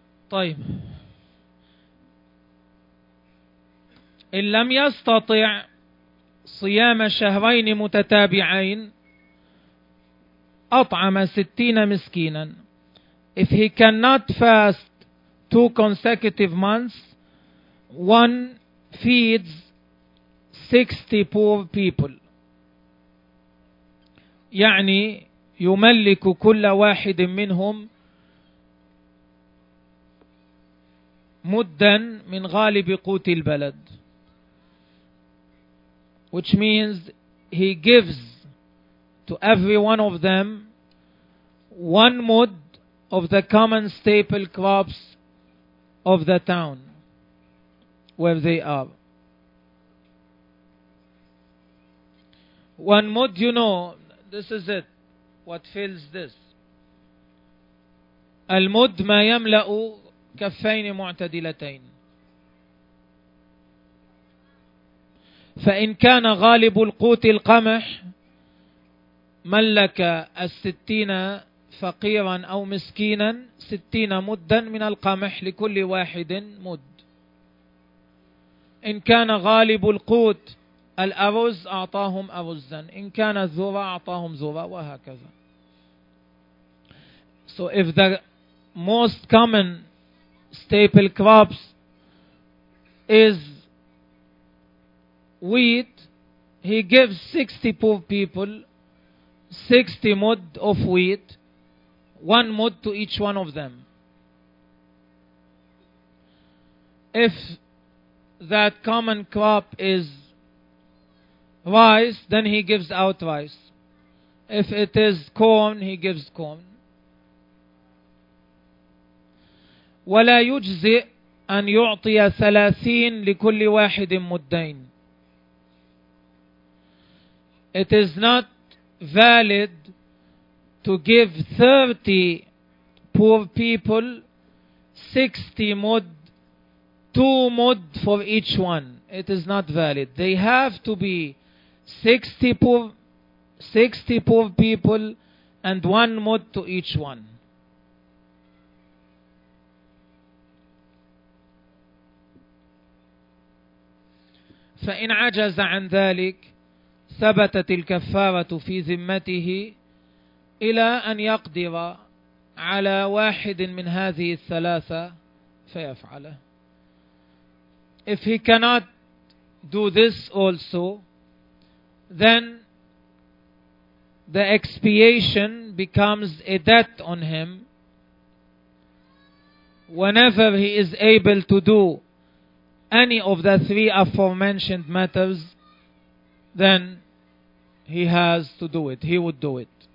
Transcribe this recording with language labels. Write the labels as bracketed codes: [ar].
[ar] طيب إن لم يستطع صيام شهرين متتابعين أطعم 60 مسكينا. [en] If he cannot fast 2 consecutive months, one feeds 60 poor people. [ar] يعني يملك كل واحد منهم مدا من غالب قوت البلد, [en] which means he gives to every one of them one mud of the common staple crops of the town where they are. One mud, you know, this is it, what fills this. [ar] المد ما يملأ كفين معتدلتين. فإن كان غالب القوت القمح ملك 60 فقيرا أو مسكينا 60 مدا من القمح لكل واحد مد. إن كان غالب القوت الأرز أعطاهم أرزا, إن كان الذرة أعطاهم ذرة, وهكذا. [en] So if the most common staple crops is wheat, he gives 60 poor people 60 mud of wheat, one mud to each one of them. If that common crop is rice, then he gives out rice. If it is corn, he gives corn. [ar] ولا يجزئ أن يعطي 30 لكل واحد مدين. [en] It is not valid to give 30 poor people 60 mud, 2 mud for each one. It is not valid. They have to be 60 poor people and one mud to each one. [ar] فإن عجز عن ذلك ثبتت الكفارة في ذمته إلى أن يقدر على واحد من هذه الثلاثة فيفعله. [en] if he cannot do this also, then the expiation becomes a debt on him. Whenever he is able to do any of the three aforementioned matters, then he has to do it. He would do it.